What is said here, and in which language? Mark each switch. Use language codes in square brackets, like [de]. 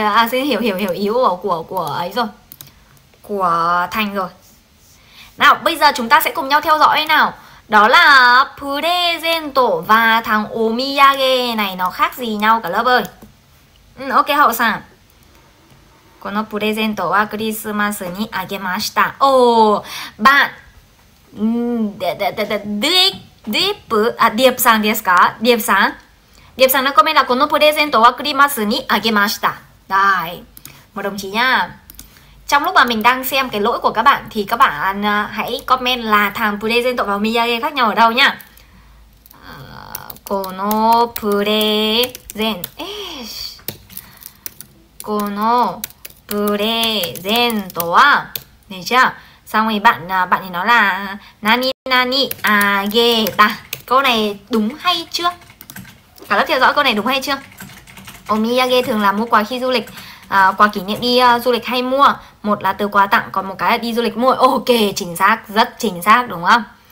[vi] Hiểu ý của ấy rồi. Của Thành rồi. Nào, bây giờ chúng ta sẽ cùng nhau theo dõi nào. Đó là presento và thằng omiyage này nó khác gì nhau cả lớp ơi. Ok, hậu sản. [ja] このプレゼントはクリスマスにあげました。おお、バン、ディープさんですか？ディープさん、ディープさんのコメントはこのプレゼントはクリスマスにあげました。はい、もう同じや。 [vi] Trong lúc mà mình đang xem cái lỗi của các bạn thì các bạn hãy comment là thằng プレゼント và omiyage khác nhau ở đâu nhá. [ja] このプレゼン、このプレゼントは、でしょ。 [vi] Xong thì bạn thì nói là [ja] nani nani ageta. [vi] Câu này đúng hay chưa? Cả lớp theo dõi câu này đúng hay chưa? Omiyage thường là mua quà khi du lịch, quà kỷ niệm đi du lịch hay mua. Một là từ quà tặng, còn một cái là đi du lịch mua. Ok, chính xác, rất chính xác đúng không?